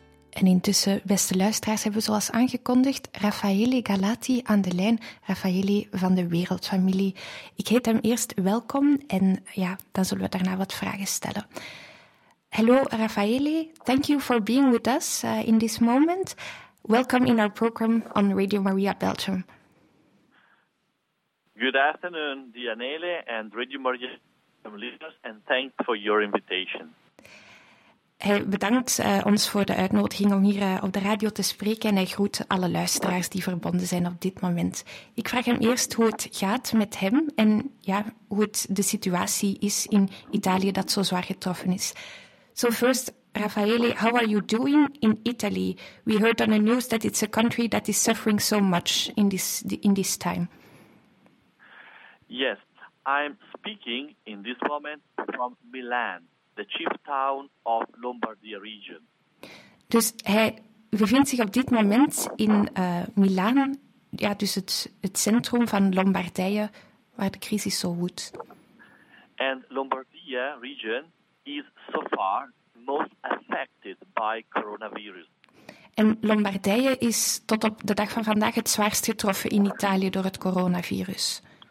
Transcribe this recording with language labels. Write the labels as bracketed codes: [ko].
[nl] En intussen, beste luisteraars, hebben we zoals aangekondigd Raffaele Galati aan de lijn. Raffaele van de Wereldfamilie. Ik heet hem eerst welkom en ja, dan zullen we daarna wat vragen stellen. [en] Hello, Raffaele. Thank you for being with us in this moment. Welcome in our program on Radio Maria Belgium. Good afternoon, Dianele and Radio Maria listeners, and thanks for your invitation. [nl] Hij bedankt ons voor de uitnodiging om hier op de radio te spreken en hij groet alle luisteraars die verbonden zijn op dit moment. Ik vraag hem eerst hoe het gaat met hem en ja, hoe het de situatie is in Italië dat zo zwaar getroffen is. [en] So first, Raffaele, how are you doing in Italy? We heard on the news that it's a country that is suffering so much in this time. Yes, I'm speaking in this moment from Milan, the chief town of Lombardia region. [nl] Dus hij bevindt zich op dit moment in Milaan, ja, dus het centrum van Lombardije, waar de crisis zo woedt. [en] And Lombardia region is so far most affected by coronavirus. [nl] En Lombardije is tot op de dag van vandaag het zwaarst getroffen in Italië door het coronavirus.